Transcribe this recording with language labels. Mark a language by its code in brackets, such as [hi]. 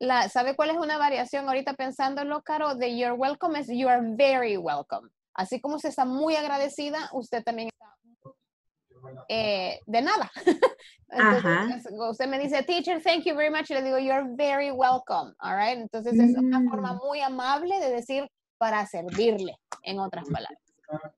[es] ¿Sabe cuál es una variación ahorita pensándolo, Caro? [en] De you're welcome es you are very welcome. [es] Así como usted está muy agradecida, usted también está de nada. Entonces, ajá. Usted me dice, [en] teacher, thank you very much. [es] Y le digo, [en] you're very welcome. All right? [es] Entonces es una forma muy amable de decir para servirle, en otras palabras.